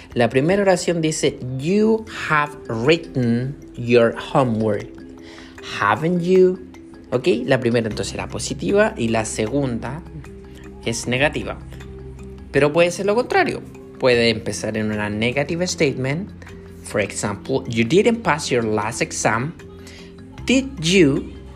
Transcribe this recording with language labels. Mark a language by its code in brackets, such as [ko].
[es] La primera oración dice, [en] you have written your homework, haven't you? Okay. [es] La primera entonces era positiva y la segunda es negativa. Pero puede ser lo contrario. Puede empezar en una [en] negative statement. For example, you didn't pass your last exam, did you?